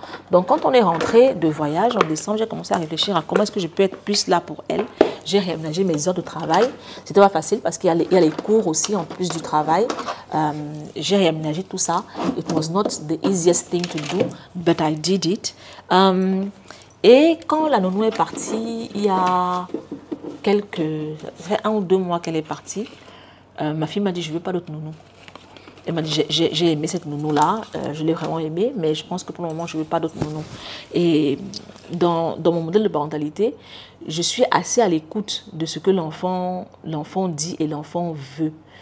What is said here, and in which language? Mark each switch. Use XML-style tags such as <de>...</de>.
<fr>Donc, quand on est rentré de voyage en décembre, j'ai commencé à réfléchir à comment est-ce que je peux être plus là pour elle. J'ai réaménagé mes heures de travail. C'était pas facile parce qu'il y a les cours aussi en plus du travail. J'ai réaménagé tout ça.</fr> <en>It was not the easiest thing to do, but I did it.</en> <fr>Et quand la nounou est partie, il y a ça fait 1 ou 2 mois qu'elle est partie, ma fille m'a dit, je veux pas d'autre nounou. Elle m'a dit, j'ai aimé cette nounou-là, je l'ai vraiment aimée, mais je pense que pour le moment, je ne veux pas d'autre nounou. Et dans mon modèle de parentalité, je suis assez à l'écoute de ce que l'enfant dit et l'enfant veut.</fr>